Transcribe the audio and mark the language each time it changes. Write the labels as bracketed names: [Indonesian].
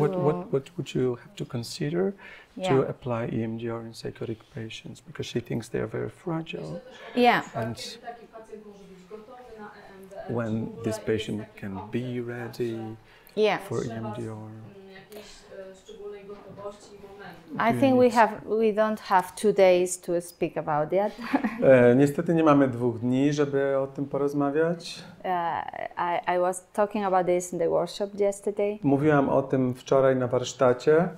[English] what would you have to consider to apply EMDR in psychotic patients, because she thinks they are very fragile. Yeah. And when this patient can be ready for EMDR. I think we don't have 2 days to speak about it. [Polish] Niestety nie mamy 2 dni, żeby o tym porozmawiać. [English] I was talking about this in the workshop yesterday. [Polish] Mówiłam o tym wczoraj na warsztacie.